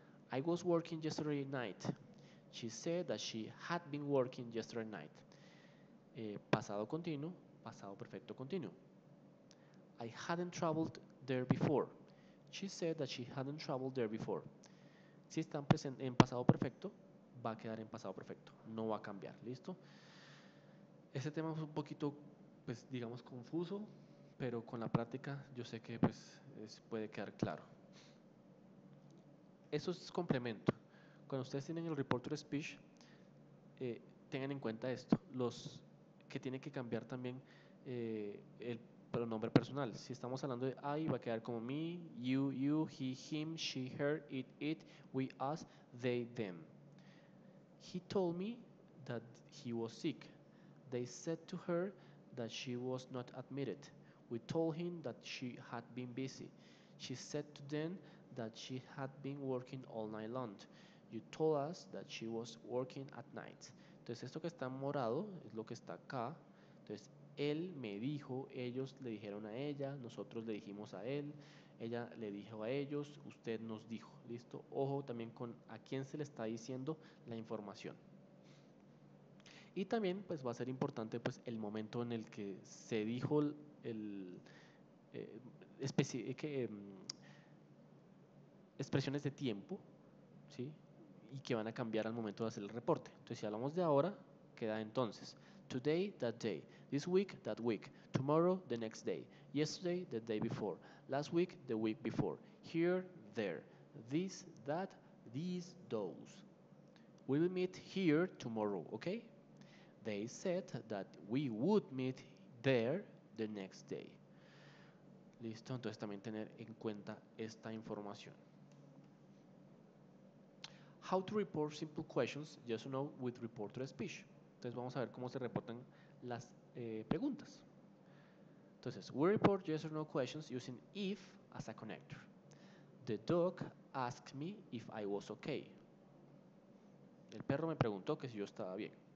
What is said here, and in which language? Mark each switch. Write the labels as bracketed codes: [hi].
[en] I was working yesterday night. She said that she had been working yesterday night. [es] Pasado continuo, pasado perfecto continuo. [en] I hadn't traveled there before. She said that she hadn't traveled there before. [es] Si están presente en pasado perfecto, va a quedar en pasado perfecto. No va a cambiar. ¿Listo? Este tema es un poquito, pues digamos, confuso, pero con la práctica yo sé que pues puede quedar claro. Eso es complemento. Cuando ustedes tienen el report to speech, tengan en cuenta esto. Los que tienen que cambiar también el pronombre personal. Si estamos hablando de I, va a quedar como me, you, he, him, she, her, it, we, us, they, them. [en] He told me that he was sick. They said to her that she was not admitted. We told him that she had been busy. She said to them that she had been working all night long. You told us that she was working at night. [es] Entonces, esto que está en morado es lo que está acá. Entonces, él me dijo, ellos le dijeron a ella, nosotros le dijimos a él, ella le dijo a ellos, usted nos dijo. ¿Listo? Ojo también con a quién se le está diciendo la información. Y también, pues, va a ser importante, pues, el momento en el que se dijo el expresiones de tiempo, ¿sí? Y que van a cambiar al momento de hacer el reporte. Entonces, si hablamos de ahora, queda entonces: [en] today, that day; this week, that week; tomorrow, the next day; yesterday, the day before; last week, the week before; here, there; this, that; these, those. We will meet here tomorrow, okay? They said that we would meet there the next day. [es] Listo, entonces también tener en cuenta esta información. [en] How to report simple questions, yes or no, with report to speech. [es] Entonces vamos a ver cómo se reportan las preguntas. [en] Entonces, we report yes or no questions using if as a connector. The dog asked me if I was okay. [es] El perro me preguntó que si yo estaba bien.